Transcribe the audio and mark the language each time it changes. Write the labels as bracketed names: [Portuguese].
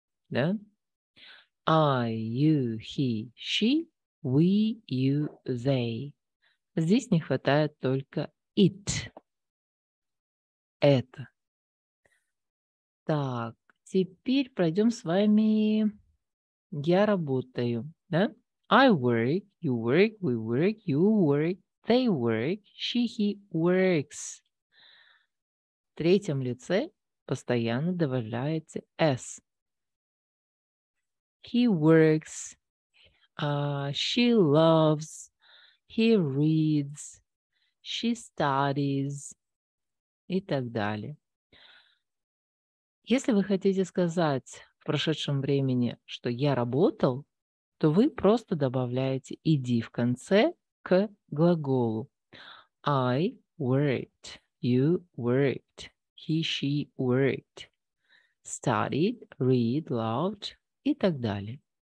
[English] Да? I, you, he, she. We, you, they. [Russian] Здесь не хватает только it. Это. Так, теперь пройдем с вами. Я работаю. Да? [English] I work, you work, we work, you work, they work, she, he works. [Russian] В третьем лице постоянно добавляете s. [English] He works, she loves, he reads, she studies [Russian] и так далее. Если вы хотите сказать в прошедшем времени, что я работал, то вы просто добавляете ed в конце к глаголу. [English] I worked, you worked, he, she worked, studied, read, loved [Russian] и так далее.